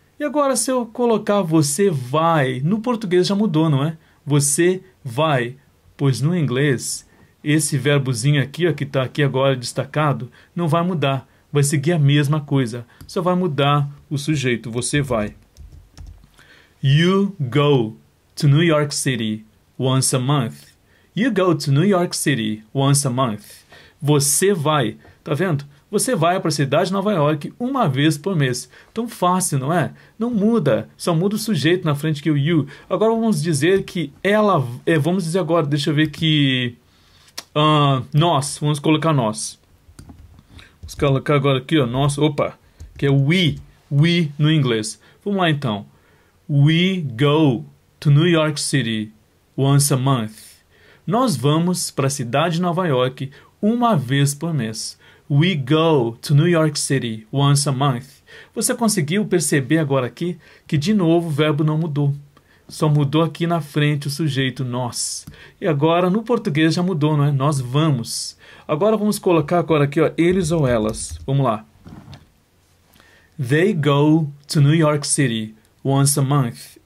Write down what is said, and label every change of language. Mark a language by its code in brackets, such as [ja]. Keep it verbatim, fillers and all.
[pt] E agora, se eu colocar você vai, no português já mudou, não é? Você vai, pois no inglês, esse verbozinho aqui, ó, que está aqui agora destacado, não vai mudar, vai seguir a mesma coisa, só vai mudar o sujeito, você vai. [en] You go to New York City once a month. You go to New York City once a month. [pt] Você vai, tá vendo? Você vai para a cidade de Nova York uma vez por mês. Tão fácil, não é? Não muda, só muda o sujeito na frente que o you. Agora vamos dizer que ela... É, vamos dizer agora, deixa eu ver que... Uh, nós, vamos colocar nós. Vamos colocar agora aqui, ó, nós, opa, que é we, we no inglês. Vamos lá então. [en] We go to New York City once a month. [pt] Nós vamos para a cidade de Nova York uma vez por mês. [en] We go to New York City once a month. [pt] Você conseguiu perceber agora aqui que de novo o verbo não mudou. Só mudou aqui na frente o sujeito nós. E agora no português já mudou, não é? Nós vamos. Agora vamos colocar agora aqui, ó, eles ou elas. Vamos lá. [en] They go to New York City once a month.